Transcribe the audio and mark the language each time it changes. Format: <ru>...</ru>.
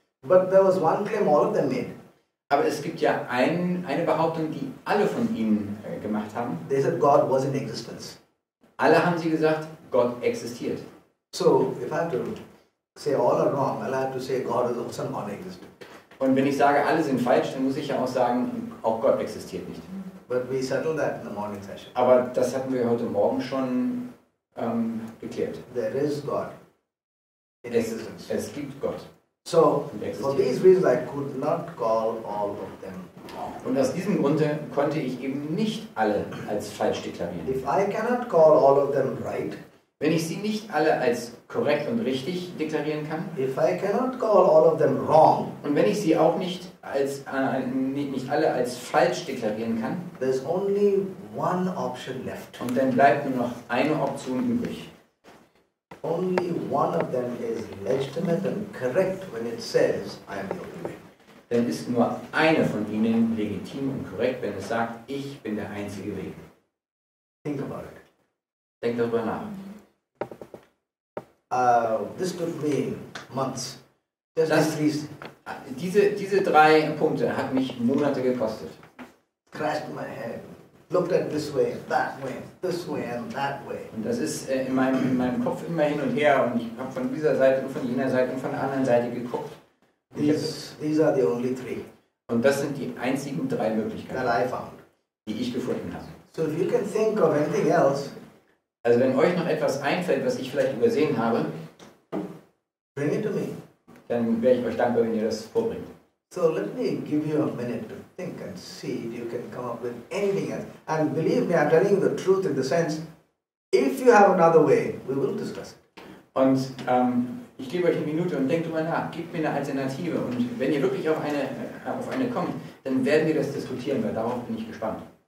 <en>But there was one claim all of them made.</en> <de>Aber es gibt ja eine Behauptung, die alle von ihnen gemacht haben.</de> <en>They said God was in existence.</en> <de>Alle haben sie gesagt, Gott existiert.</de> <en>So, if I had to say all are wrong, I'll have to say God is also non-existent.</en> <de>Und wenn ich sage, alle sind falsch, dann muss ich ja auch sagen, auch Gott existiert nicht.</de> <en>But we settled that in the morning session.</en> <de>Aber das hatten wir heute Morgen schon geklärt.</de> <en>There is God in existence.</en> <de>Es gibt Gott.</de> <en>So, for these reasons, I could not call all of them.</en> <de>Und aus diesem Grunde konnte ich eben nicht alle als falsch deklarieren.</de> <en>If I cannot call all of them right,</en> <de>wenn ich sie nicht alle als korrekt und richtig deklarieren kann,</de> <en>if I cannot call all of them wrong,</en> <de>und wenn ich sie auch nicht als nicht alle als falsch deklarieren kann,</de> <en>there's only one option left.</en> <de>Und dann bleibt nur noch eine Option übrig.</de> <en>Only one of them is legitimate and correct when it says I am the only way.</en> <de>Dann ist nur eine von ihnen legitim und korrekt, wenn es sagt, ich bin der einzige Weg.</de> <en>Think about it.</en> <de>Denk darüber nach.</de> <en>This took me months. Just</en> <de>das, diese drei Punkte hat mich Monate gekostet.</de> <en>Crashed my head. Looked at this way, that way, this way and that way.</en> <de>Und das ist in meinem Kopf immer hin und her und ich habe von dieser Seite und von jener Seite und von der anderen Seite geguckt.</de> <en>These are the only three.</en> <de>Und das sind die einzigen drei Möglichkeiten,</de> <en>that I found,</en> <de>die ich gefunden habe.</de> <en>So if you can think of anything else,</en> <de>also wenn euch noch etwas einfällt, was ich vielleicht übersehen habe,</de> <en>bring it to me.</en> <de>Dann wäre ich euch dankbar, wenn ihr das vorbringt.</de> <en>So let me give you a minute to think and see if you can come up with anything else. And believe me, I'm telling you the truth in the sense, if you have another way, we will discuss it.</en> <de>Und ich gebe euch eine Minute und denkt mal nach, gebt mir eine Alternative. Und wenn ihr wirklich auf eine kommt, dann werden wir das diskutieren, weil darauf bin ich gespannt.</de>